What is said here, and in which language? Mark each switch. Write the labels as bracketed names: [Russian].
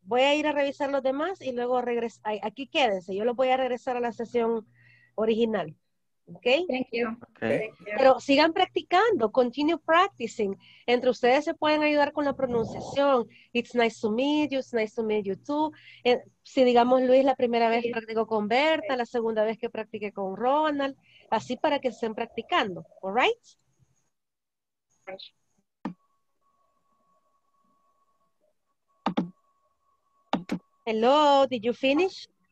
[Spanish] Voy a ir a revisar los demás y luego regresa. Aquí quédense, yo lo voy a regresar a la sesión original. [English] Okay? Thank you. Okay. Thank you. [Spanish] Pero sigan practicando, [English] continue practicing. [Spanish] Entre ustedes se pueden ayudar con la pronunciación. [English] It's nice to meet you, it's nice to meet you too. [Spanish] Si digamos Luis, la primera vez practicó con Berta, la segunda vez que practiqué con Ronald, así para que estén practicando. [English] All right? Hello, did you finish?